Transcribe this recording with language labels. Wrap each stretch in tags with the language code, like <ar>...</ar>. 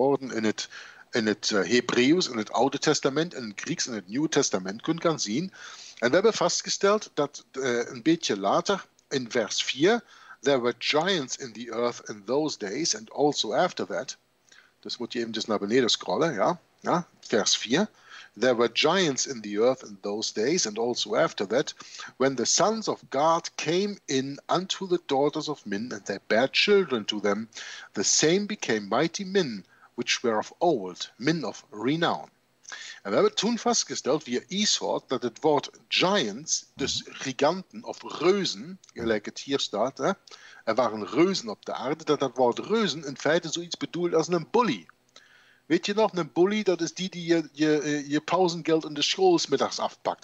<nl>woorden in het Hebreeuws, in het Oude Testament, in het Grieks, in het Nieuwe Testament kunt gaan zien. En we hebben vastgesteld dat een beetje later, in vers 4,</nl> <en>there were giants in the earth in those days and also after that.</en> <nl>Dus moet je even dus naar beneden scrollen, ja. Ja, vers 4.</nl> <en>There were giants in the earth in those days and also after that, when the sons of God came in unto the daughters of men and they bare children to them, the same became mighty men which were of old, men of renown.</en> <nl>En we hebben toen vastgesteld via Esort dat het woord giants, dus giganten of reuzen, gelijk het hier staat, hè, er waren reuzen op de aarde, dat dat woord reuzen in feite zoiets bedoelt als een bully. Weet je nog, een bully, dat is die je pauzengeld in de school smiddags afpakt.</nl>